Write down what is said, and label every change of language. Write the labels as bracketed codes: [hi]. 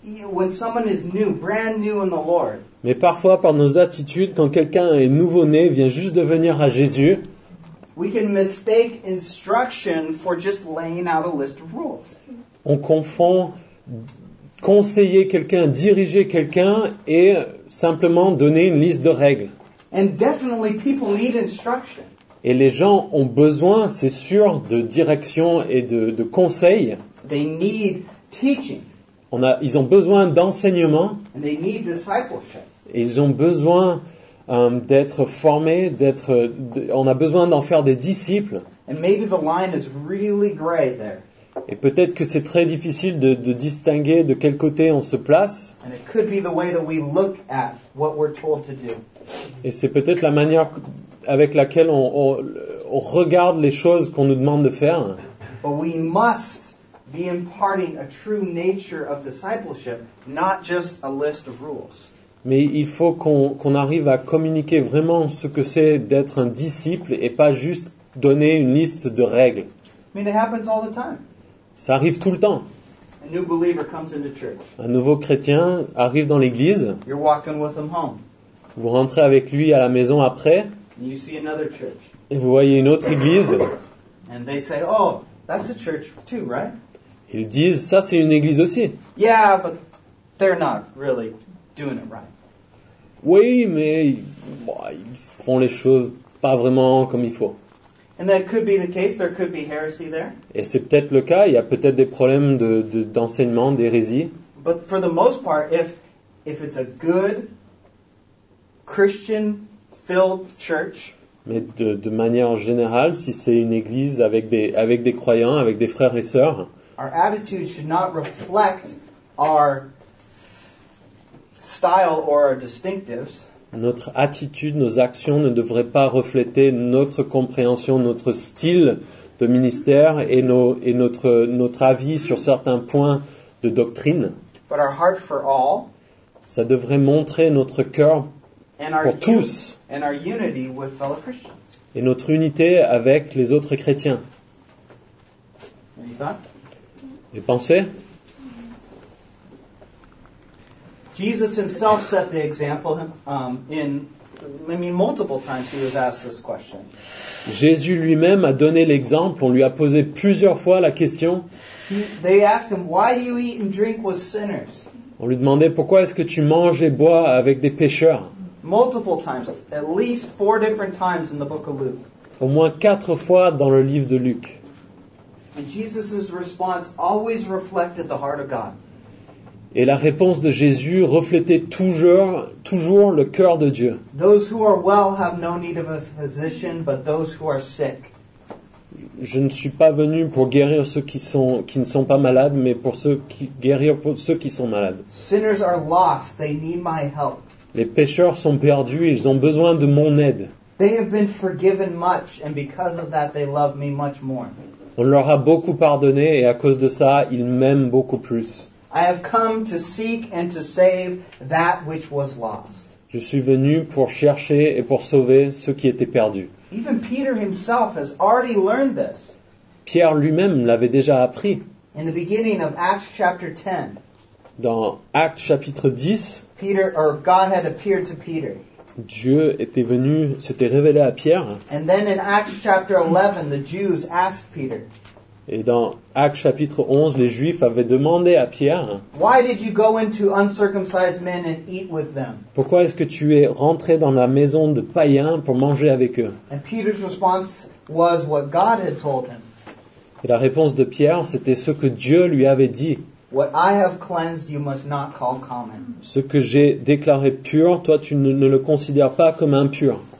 [en] When someone is new, brand new in the Lord. [fr] Mais parfois, par nos attitudes, quand quelqu'un est nouveau-né, vient juste de venir à Jésus, [en] we can mistake instruction for just laying out a list of rules. [fr] On confond conseiller quelqu'un, diriger quelqu'un, et simplement donner une liste de règles. [en] And definitely people need instruction. [fr] Et les gens ont besoin, c'est sûr, de direction et de conseils. [en] They need teaching. [fr] Ils ont besoin d'enseignement. [en] And they need discipleship. [fr] Et ils ont besoin d'être formés, on a besoin d'en faire des disciples. [en] And maybe the line is really gray there. [fr] Et peut-être que c'est très difficile de distinguer de quel côté on se place. Et c'est peut-être la manière avec laquelle on regarde les choses qu'on nous demande de faire. [en] But we must be imparting a true nature of discipleship, not just a list of rules. [fr] Mais il faut qu'on arrive à communiquer vraiment ce que c'est d'être un disciple et pas juste donner une liste de règles. [en] I mean, it happens all the time. [fr] Ça arrive tout le temps. [en] A new believer comes into church. [fr] Un nouveau chrétien arrive dans l'église. [en] You're walking with him home. [fr] Vous rentrez avec lui à la maison après. [en] And you see another church. [fr] Et vous voyez une autre église. [en] And they say, oh, that's a church too, right? [fr] Ils disent, ça c'est une église aussi. [en] Yeah, but they're not really doing it right. [fr] Oui, mais bon, ils font les choses pas vraiment comme il faut. [en] And that could be the case. There could be heresy there. [fr] Et c'est peut-être le cas. Il y a peut-être des problèmes d'enseignement, d'hérésie. [en] But for the most part, if it's a good Christian-filled church. [fr] Mais de manière générale, si c'est une église avec des croyants, avec des frères et sœurs. [en] Our attitude should not reflect our style or our distinctives. [fr] Notre attitude, nos actions ne devraient pas refléter notre compréhension, notre style de ministère et notre avis sur certains points de doctrine. [en] But our heart for all, [fr] ça devrait montrer notre cœur pour tous [en] and our unity with fellow Christians. [fr] Et notre unité avec les autres chrétiens. [en] Any [fr] et pensez? [en] Jesus himself set the example multiple times he was asked this question. [fr] Jésus lui-même a donné l'exemple, on lui a posé plusieurs fois la question. [en] They asked him, why do you eat and drink with sinners? [fr] On lui demandait pourquoi est-ce que tu manges et bois avec des pécheurs? [en] Multiple times, at least four different times in the book of Luke. [fr] Au moins quatre fois dans le livre de Luc. [en] And Jesus' response always reflected the heart of God. [fr] Et la réponse de Jésus reflétait toujours le cœur de Dieu. [en] Those who are well have no need of a physician, but those who are sick. [fr] Je ne suis pas venu pour guérir ceux qui ne sont pas malades, mais pour guérir ceux qui sont malades. [en] Sinners are lost, they need my help. [fr] Les pécheurs sont perdus, ils ont besoin de mon aide. [en] They have been forgiven much, and because of that they love me much more. [fr] On leur a beaucoup pardonné et à cause de ça, ils m'aiment beaucoup plus. [en] I have come to seek and to save that which was lost. [fr] Je suis venu pour chercher et pour sauver ceux qui étaient perdus. [en] Even Peter himself has already learned this. [fr] Pierre lui-même l'avait déjà appris. [en] In the beginning of Acts chapter 10. [fr] Dans Actes chapitre 10. [en] God had appeared to Peter. [fr] Dieu était venu, s'était révélé à Pierre. [en] And then in Acts chapter 11, the Jews asked Peter. [fr] Et dans Actes chapitre 11, les Juifs avaient demandé à Pierre. [en] Why did you go into uncircumcised men and eat with them? [fr] Pourquoi est-ce que tu es rentré dans la maison de païens pour manger avec eux? [en] And Peter's response was what God had told him. [fr] Et la réponse de Pierre, c'était ce que Dieu lui avait dit. [en] What I have cleansed, you must not call common. [fr] Ce que j'ai déclaré pur, toi tu ne le considères pas comme impur.